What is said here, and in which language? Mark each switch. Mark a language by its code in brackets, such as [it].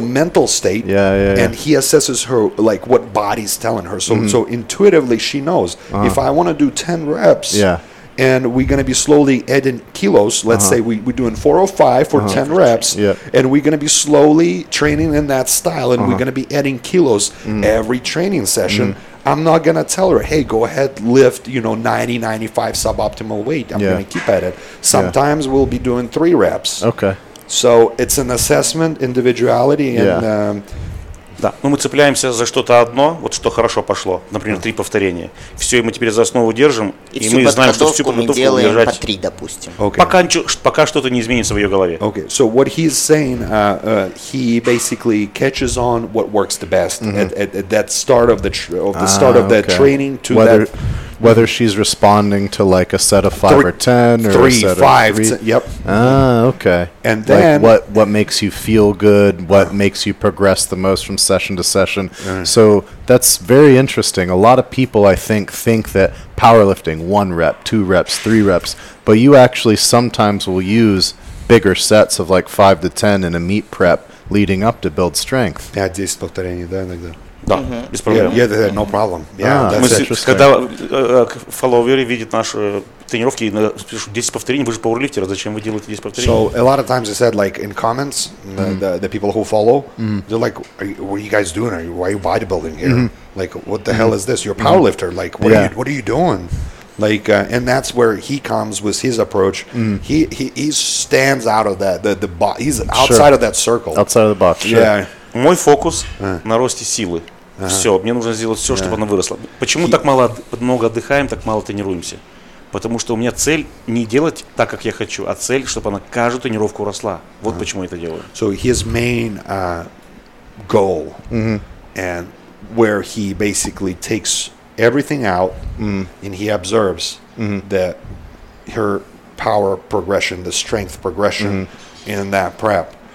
[en] mental state and he assesses her like what body's telling her so intuitively she knows if I want to do 10 reps and we're going to be slowly adding kilos, let's say we're doing 405 for 10 reps and we're going to be slowly training in that style and we're going to be adding kilos every training session, I'm not going to tell her, hey, go ahead, lift, you know, 90, 95 suboptimal weight. I'm going to keep at it. Sometimes we'll be doing 3 reps. Okay. So it's an assessment, individuality, and [ru] да, ну мы цепляемся за что-то одно, вот что хорошо пошло, например, три повторения. Все, и мы теперь за основу держим, и мы знаем, что всю подготовку мы делаем по три, допустим. [en] Okay. [ru] Пока что-то не изменится в ее голове. [en] Okay. So what he's saying, he basically catches on what works the best at that start of the training to that. Whether she's responding to like a set of 5 or 10 or 3, a set 5, of 3. Yep. Ah, okay. And then like what makes you feel good, what makes you progress the most from session to session. So that's very interesting. A lot of people I think that powerlifting 1 rep, 2 reps, 3 reps, but you actually sometimes will use bigger sets of like 5 to 10 in a meet prep leading up to build strength. Yeah, just [ru] повторение, да, иногда. Да, без проблем. [en] Yeah, no problem. Yeah, [ru] мы когда фолловеры видят наши тренировки, и спрашивают, 10 повторений, вы же пауэрлифтеры, зачем вы делаете 10 повторений? [en] So, a lot of times I said, like, in comments, the people who follow, they're like, what are you guys doing? Why are you bodybuilding here? Like, what the hell is this? You're a powerlifter. Like, what are you doing? Like, and that's where he comes with his approach. He stands out of that, he's outside of that circle. Outside of the box, Yeah. [ru] Мой фокус на росте силы. Все, мне нужно сделать все, чтобы она выросла. Почему так много отдыхаем, так мало тренируемся? Потому что у меня цель не делать так, как я хочу, а цель, чтобы она каждую тренировку росла. Вот почему я это делаю. [en] So his main goal and where he basically takes everything out and he observes that her power progression, the strength progression in that prep.